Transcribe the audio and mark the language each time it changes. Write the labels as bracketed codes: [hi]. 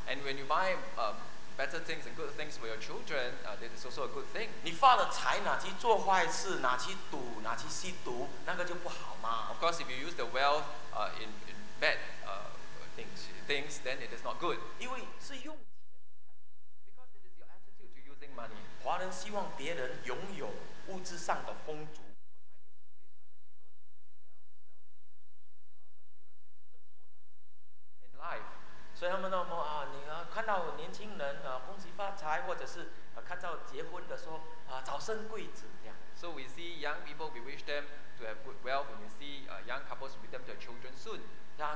[en] And when you buy better things and good things for your children, that is also a good thing. [zh] 你发了财，拿去做坏事，拿去赌，拿去吸毒，那个就不好嘛。 [en] Of course, if you use the wealth in bad things, then it is not good. [zh] 因为是用 [en] because it is your attitude to using money. [zh] 华人希望别人拥有物质上的丰足。 [en] In life. [zh] 所以他们那么，你看到年轻人恭喜发财，或者是看到结婚的说早生贵子这样。 [en] So we see young people, we wish them to have good wealth. When you see young couples, we wish them to have children soon.